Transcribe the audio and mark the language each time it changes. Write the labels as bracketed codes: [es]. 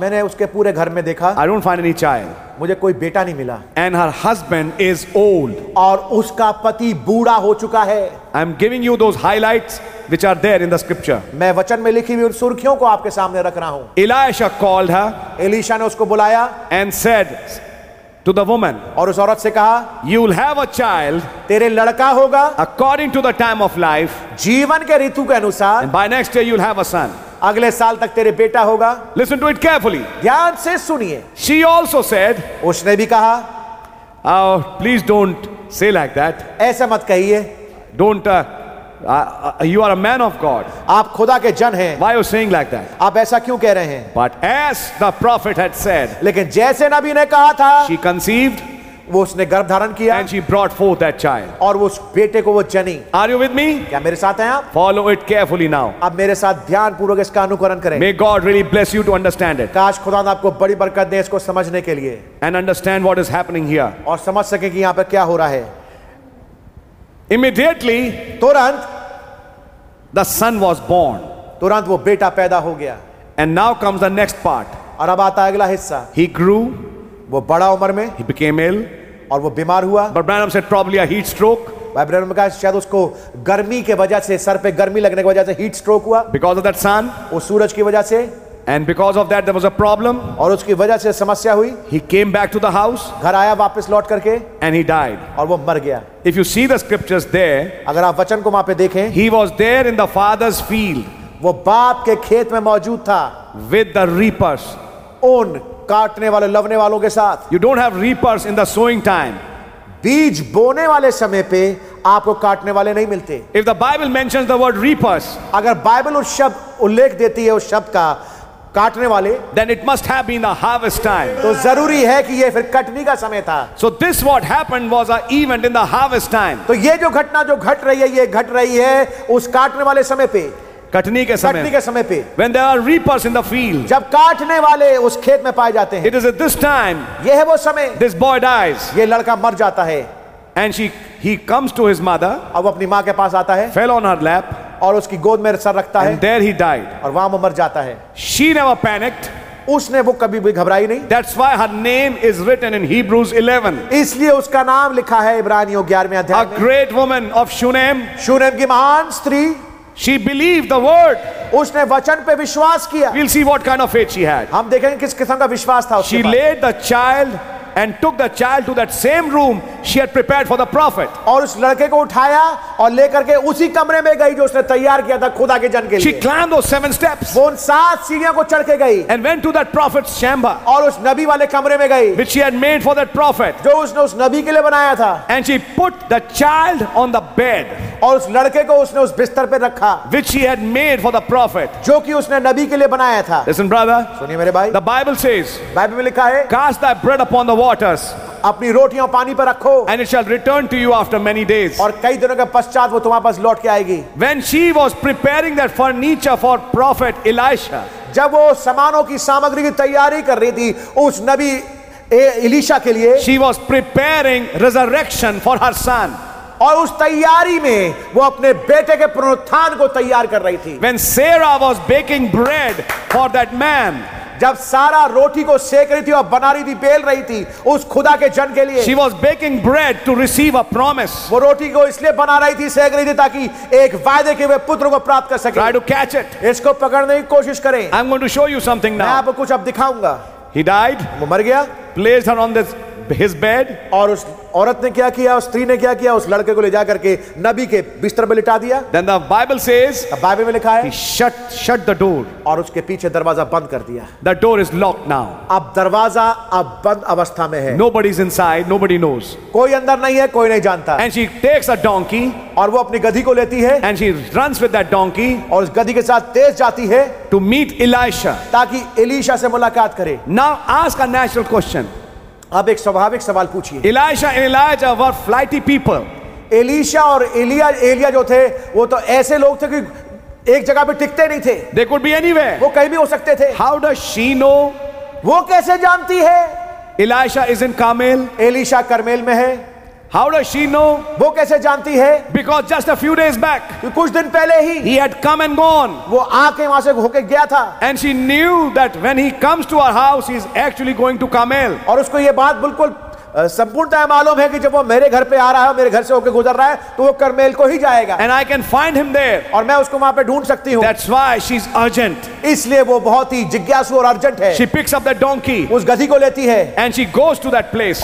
[hi] मैंने उसके पूरे घर में देखा. [en] I don't find any child. [hi] मुझे कोई बेटा नहीं मिला. [en] And her husband is old. [hi] और उसका पति बूढ़ा हो चुका है. [en] I am giving you those highlights which are there in the scripture. [hi] मैं वचन में लिखी हुई उन सुर्खियों को आपके सामने रख रहा हूँ. [en] Elisha called her. [hi] Elisha ने उसको बुलाया. [en] And said to the woman. [hi] और उस औरत से कहा. [en] You will have a child. [hi] तेरे लड़का होगा. [en] According to the time of life. [hi] जीवन के ऋतु के अनुसार. [en] And by next year you will have a son. [hi] अगले साल तक तेरे बेटा होगा. [en] Listen to it carefully. [hi] ध्यान से सुनिए. [en] She also said. [hi] उसने भी कहा. [en] Oh, please don't say like that. [hi] ऐसे मत कहिए. [en] Don't you are a man of God. [hi] आप खुदा के जन हैं. [en] Why are you saying like that? [hi] आप ऐसा क्यों कह रहे हैं? [en] But as the prophet had said. [hi] लेकिन जैसे नबी ने कहा था. [en] She conceived. [hi] वो उसने गर्भ धारण किया. [en] And she brought forth that child. [hi] और उस बेटे को वो जनी. [en] Are you with me? [hi] क्या मेरे साथ हैं आप? [en] Follow it carefully now. [hi] अब मेरे साथ ध्यान पूर्वक इसका अनुकरण करें. [en] May God really bless you to understand it. [hi] काश खुदा ने आपको बड़ी बरकत दे इसको समझने के लिए. [en] And understand what is happening here. [hi] और समझ सके कि यहाँ पर क्या हो रहा है. [en] Immediately, [hi] तुरंत, [en] the son was born. [hi] तुरंत वो बेटा पैदा हो गया. [en] And now comes the next part. [hi] और अब आता है अगला हिस्सा. [en] He grew. [hi] वो बड़ा उम्र में. [en] He became ill. [hi] और वो बीमार हुआ. [en] But Branham said probably a heat stroke. [hi] भाई ब्रैनम का शायद उसको गर्मी के वजह से सर पे गर्मी लगने की वजह से heat stroke हुआ. [en] Because of that sun. [hi] वो सूरज की वजह से. [en] And because of that there was a problem. [hi] और उसकी वजह से समस्या हुई. [en] He came back to the house. [hi] घर आया वापस लौट करके. [en] And he died. [hi] और वो मर गया. [en] If you see the scriptures there. [hi] अगर आप वचन को वहाँ पे देखें. [en] He was there in the father's field. [hi] वो बाप के खेत में मौजूद था. [en] With the reapers. [hi] उन काटने वाले लवने वालों के साथ. [en] You don't have reapers in the sowing time. [hi] बीज बोने वाले समय पे आपको काटने वाले नहीं मिलते. [en] If the Bible mentions the word reapers. [hi] अगर बाइबल उस शब्द उल्लेख देती है उस शब्द का काटने वाले. [en] Then it must have been the harvest time. [hi] तो जरूरी है कि ये फिर कटनी का समय था. [en] So this what happened was a event in the harvest time. [hi] तो ये जो घटना जो घट रही है ये घट रही है उस काटने वाले समय पे. कटनी के समय पे. [en] When there are reapers in the field. [hi] जब काटने वाले उस खेत में पाए जाते हैं. [en] It is at this time. [hi] ये है वो समय. [en] This boy dies. [hi] ये लड़का मर जाता है. [en] And he comes to his mother. [hi] अब अपनी माँ के पास आता है. [en] Fell on her lap. [hi] और उसकी गोद में सर रखता है. [en] And there he died. [hi] और वहाँ मर जाता है. [en] She never panicked. [hi] उसने वो कभी भी घबराई नहीं. [en] That's why her name is written in Hebrews 11. [hi] इसलिए उसका नाम लिखा है इब्रानियों 11वें अध्याय में. [en] A great woman of Shunem. [hi] Shunem की महान स्त्री. [en] She believed the word. [hi] उसने वचन पे विश्वास किया. [en] We'll see what kind of faith she had. [hi] हम देखेंगे किस किस्म का विश्वास था उसके [en] पास. She laid the child. And took the child to that same room she had prepared for the prophet. [hi] और उस लड़के को उठाया और लेकर के उसी कमरे में गई जो उसने तैयार किया था खुदा के जन के लिए. [en] She climbed those seven steps. [hi] वो उन सात सीढ़ियों को चढ़ के गई. [en] And went to that prophet's chamber. [hi] और उस नबी वाले कमरे में गई. [en] Which she had made for that prophet. [hi] जो उसने उस नबी के लिए बनाया था. [en] And she put the child on the bed. [hi] और उस लड़के को उसने उस बिस्तर पे रखा. [en] Which she had made for the prophet. [hi] जो कि उसने नबी के लिए बनाया था. [en] Listen, brother. [hi] सुनिए मेरे भाई. [en] The Bible says. [hi] बाइबल में लिखा है. [en] Cast thy bread upon the water. [hi] अपनी रोटियां पानी पर रखो. [en] And it shall return to you after many days. [hi] और कई दिनों के पश्चात वो तुम्हारे पास लौट के आएगी. [en] When she was preparing that furniture for prophet Elisha. [hi] जब वो सामानों की सामग्री की तैयारी कर रही थी उस नबी एलिशा के लिए. [en] She was preparing resurrection for her son. [hi] और उस तैयारी में वो अपने बेटे के पुनरुत्थान को तैयार कर रही थी. [en] When Sarah was baking bread for that man. [hi] जब सारा रोटी को सेक रही थी और बना रही थी बेल रही थी उस खुदा के जन के लिए. [en] She was baking bread to receive a promise. [hi] वो रोटी को इसलिए बना रही थी सेक रही थी ताकि एक वायदे के हुए पुत्र को प्राप्त कर सके. [en] Try to catch it. [hi] इसको पकड़ने की कोशिश करें. [en] I'm going to show you something now. [hi] मैं आपको कुछ अब दिखाऊंगा. [en] He died. [hi] वो मर गया. [en] Placed her on this his bed. [hi] और उस औरत ने क्या किया, उस स्त्री ने क्या किया, उस लड़के को ले जा करके नबी के बिस्तर पे लिटा दिया. [en] Then the Bible says. [hi] Bible में लिखा है. [en] He shut the door. [hi] और उसके पीछे दरवाजा बंद कर दिया. [en] The door is locked now. [hi] अब दरवाजा अब बंद अवस्था में है. [en] Nobody's inside. Nobody knows. [hi] कोई अंदर नहीं है, कोई नहीं जानता. [en] And she takes a donkey. [hi] और वो अपनी गधी को लेती है. [en] And she runs with that donkey. [hi] और उस गधी के साथ तेज जाती है. [en] To meet Elisha. [hi] ताकि एलीशा से मुलाकात करे. [en] Now ask a natural question. [hi] अब एक स्वाभाविक सवाल पूछिए. [en] Elisha and Elijah were flighty people. [hi] Elisha और एलिया जो थे वो तो ऐसे लोग थे कि एक जगह पे टिकते नहीं थे. [en] They could be anywhere. [hi] वो कहीं भी हो सकते थे. [en] How does she know? [hi] वो कैसे जानती है? [en] Elisha is in Carmel. [hi] Elisha करमेल में है. [en] How does she know? [hi] वो कैसे जानती है? [en] Because just a few days back, [hi] कुछ दिन पहले ही, [en] he had come and gone. [hi] वो आके वहाँ से होके गया था. [en] And she knew that when he comes to our house, he is actually going to Carmel. [hi] और उसको ये बात बिल्कुल संपूर्णतः मालूम है कि जब वो मेरे घर पे आ रहा है, मेरे घर से होके गुजर रहा है, तो वो करमेल को ही जाएगा. [en] And I can find him there. [hi] और मैं उसको वहाँ पे ढूंढ सकती हूँ. [en] That's why she's urgent. [hi] इसलिए वो बहुत ही जिज्ञासु और अर्जेंट है. [en] She picks up that donkey. [hi] उस गधी को लेती है. [en] And she goes to that place.